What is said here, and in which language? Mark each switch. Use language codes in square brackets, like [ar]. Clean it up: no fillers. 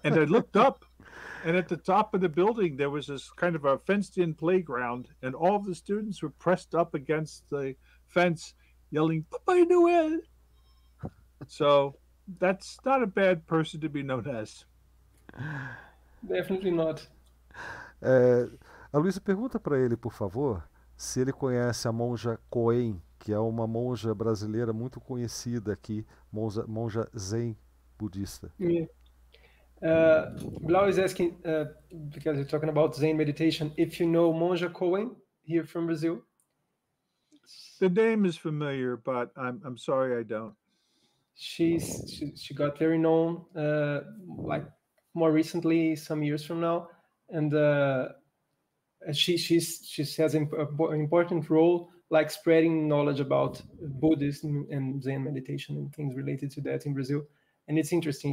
[en] And I looked up, and at the top of the building, there was this kind of a fenced-in playground, and all of the students were pressed up against the fence, yelling, Papai Noel. So that's not a bad person to be known as. Definitely not. [pt] A Luísa pergunta para ele, por favor, se ele conhece a monja Coen, que é uma monja brasileira muito conhecida aqui, monja Zen budista. [en] Blau is asking, because you're talking about Zen meditation, if you know monja Coen here from Brazil. The name is familiar, but I'm sorry I don't. She got very known, like more recently, some years from now, and she has an important role, like spreading knowledge about Buddhism and Zen meditation and things related to that in Brazil. And it's interesting.